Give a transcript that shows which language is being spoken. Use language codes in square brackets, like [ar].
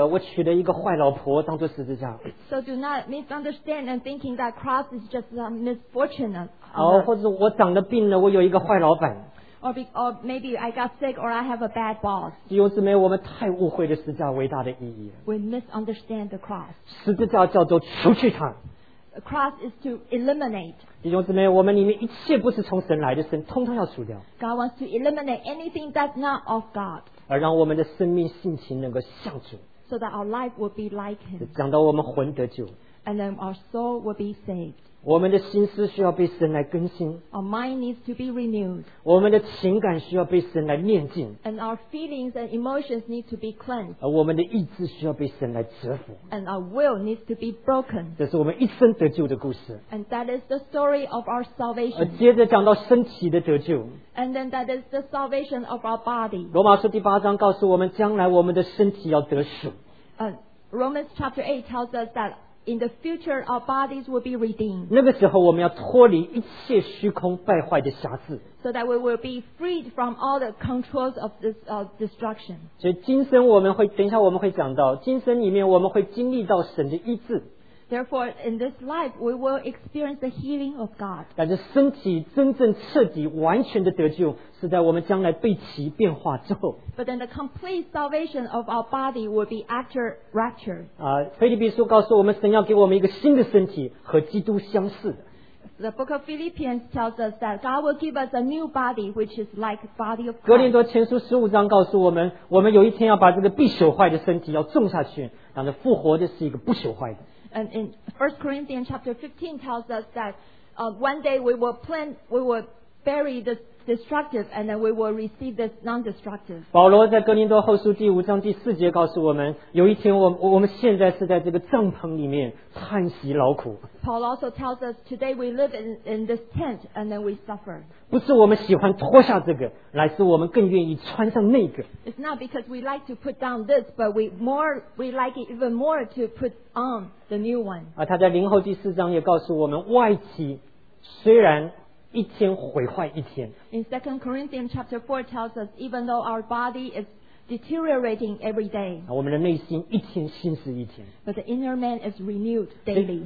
[zh] 所以不要把十字架就当作我在这里受苦了，我娶了一个坏老婆当作十字架。 [en] So do not misunderstand and thinking that cross is just a misfortune. [zh] 或者我长了病了，我有一个坏老板。 [en] Or maybe I got sick or I have a bad boss. [zh] 弟兄姊妹, 我们太误会了十字架伟大的意义了。 [en] We misunderstand the cross. [zh] 十字架叫做除去它。 [en] The cross is to eliminate. [zh] 弟兄姊妹, 我们里面一切不是从神来的, 神通通要除掉。 [en] God wants to eliminate anything that's not of God. [zh] 而让我们的生命性情能够像主。 [en] So that our life will be like Him. [zh] 讲到我们魂得救。 [en] And then our soul will be saved. [zh] 我们的心思需要被神来更新, [en] our mind needs to be renewed, [zh] 我们的情感需要被神来炼净, [en] and our feelings and emotions need to be cleansed, [zh] 而我们的意志需要被神来折服, [en] and our will needs to be broken. [zh] 这是我们一生得救的故事, [en] and that is the story of our salvation. [zh] 而接着讲到身体的得救, [en] and then that is the salvation of our body. [zh] 罗马书第八章告诉我们, 将来我们的身体要得赎, [en] Romans chapter 8 tells us that in the future, our bodies will be redeemed. [zh] 那个时候我们要脱离一切虚空败坏的瑕疵, [en] so that we will be freed from all the controls of this destruction. [zh] 所以今生我们会, 等一下我们会讲到, 今生里面我们会经历到神的医治, [en] therefore, in this life, we will experience the healing of God. [zh] 但是身体真正彻底完全的得救, 是在我们将来被其变化之后, [en] but then the complete salvation of our body will be after rapture. [zh] 腓立比书告诉我们, 神要给我们一个新的身体, 和基督相似的。 [en] The book of Philippians tells us that God will give us a new body, which is like the body of Christ. [zh] 哥林多前书15章告诉我们, 我们有一天要把这个必朽坏的身体要种下去, 然后复活的是一个不朽坏的。 [en] And in 1 Corinthians chapter 15 tells us that one day we will bury the destructive and then we will receive this non-destructive. [zh] 保罗在哥林多后书第5章第4节告诉我们, 有一天我们现在是在这个帐篷里面, 叹息劳苦。 [en] Paul also tells us today we live in this tent and then we suffer. [zh] 不是我们喜欢脱下这个, 乃是我们更愿意穿上那个。 [en] It's not because we like to put down this, but we like it even more to put on the new one. [zh] 他在灵后第4章也告诉我们, 外体虽然 一天毁坏一天, [en] in 2 Corinthians chapter 4 tells us even though our body is deteriorating every day, [zh] 我们的内心一天新是一天, [en] but the inner man is renewed daily.